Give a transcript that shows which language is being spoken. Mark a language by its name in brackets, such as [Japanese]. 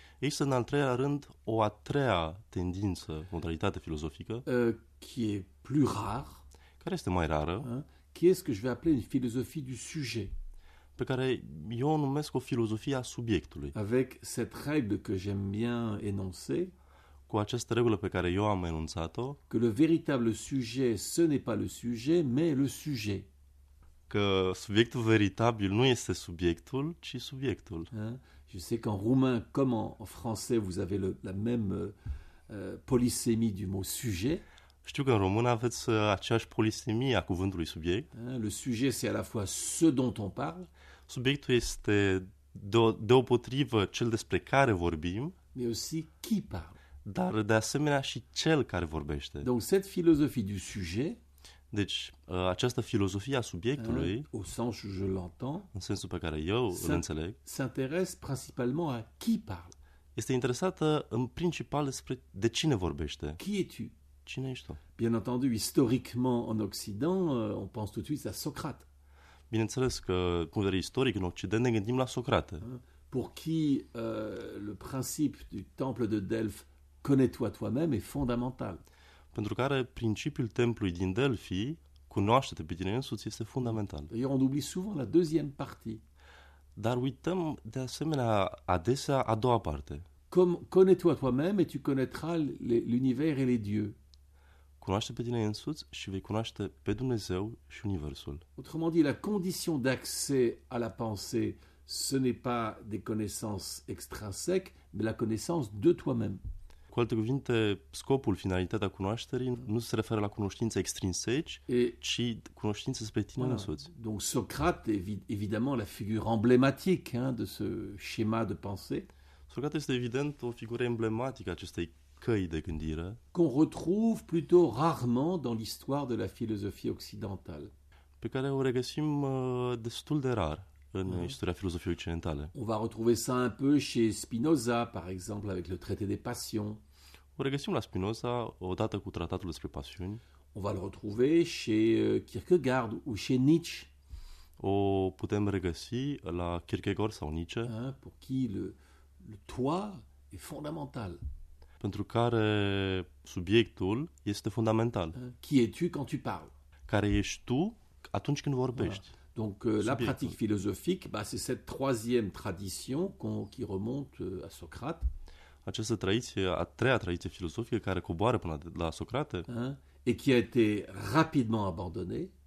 [Romanian] Există în al treilea rând o a treia tendință, modalitate filozofică, [French] qui est plus rare, [Romanian] care este mai rară, [French] qui est ce que je vais appeler une philosophie du sujet, [Romanian] pe care eu o numesc o filozofie a subiectului, [French] avec cette règle que j'aime bien énoncer, [Romanian] cu această regulă pe care eu am enunțat-o, [French] que le véritable sujet, ce n'est pas le sujet, mais le sujet. [Romanian] Că subiectul veritabil nu este subiectul, ci subiectul. [French] Je sais qu'en roumain comme en français vous avez la même polysémie du mot sujet. [Romanian] Știu că în română aveți aceeași polisemie a cuvântului subiect. [French] Le sujet c'est à la fois ce dont on parle. [Romanian] Subiectul este deopotrivă cel despre care vorbim. [French] Mais aussi qui parle. [Romanian] Dar de asemenea și cel care vorbește. [French] Donc cette philosophie du sujet. [Romanian] Deci, această filozofie a subiectului, [French] au sens où je l'entends, [Romanian] în sensul pe care eu îl înțeleg, [French] s'intéresse principalement à qui parle. [Romanian] Este interesată în principal despre de cine vorbește. [French] Qui es-tu? [Romanian] Cine ești tu? [French] Bien entendu, historiquement en Occident, on pense tout de suite à Socrate. [Romanian] Bineînțeles că, cu vedere istoric, în Occident ne gândim la Socrate. [French] Pour qui le principe du temple de Delphes, connais-toi toi-même, est fondamental. [Romanian] Pentru care principiul templului din Delphi, cunoaște-te pe tine însuți, este fundamental. [French] D'ailleurs, on oublie souvent la deuxième partie. [Romanian] Dar uităm de asemenea adesea a doua parte. [French] Connais-toi toi-même et tu connaîtras l'univers et les dieux. [Romanian] Cunoaște-te pe tine însuți și vei cunoaște pe Dumnezeu și Universul. [French] Autrement dit, la condition d'accès à la pensée, ce n'est pas des connaissances extrinsèques, mais la connaissance de toi-même. [Romanian] Cu alte cuvinte, scopul, finalitatea cunoașterii nu se referă la cunoștințe extrinseci, ci cunoștințe despre tine însuți. [French] Donc Socrate évidemment la figure emblématique de ce schéma de pensée. [Romanian] Socrate este evident o figură emblematică acestei căi de gândire. [French] Qu'on retrouve plutôt rarement dans l'histoire de la philosophie occidentale. [Romanian] Pe care o regăsim destul de rar în istoria filozofiei occidentale. [French] On va retrouver ça un peu chez Spinoza, par exemple, avec le traité des passions. [Romanian] O regăsim la Spinoza, odată cu tratatul despre pasiuni. [French] On va le retrouver chez Kierkegaard ou chez Nietzsche. [Romanian] O putem regăsi la Kierkegaard sau Nietzsche. [French] Pour qui le toi est fondamental. [Romanian] Pentru care subiectul este fondamental. [French] Qui es-tu quand tu parles? [Romanian] Care ești tu atunci când vorbești? [French] Voilà. Donc la pratique philosophique, c'est cette troisième tradition qui remonte à Socrate. [Romanian] Această tradiție, a treia tradiție filozofică care coboară până la Socrate, [French] et qui a été rapidement abandonnée.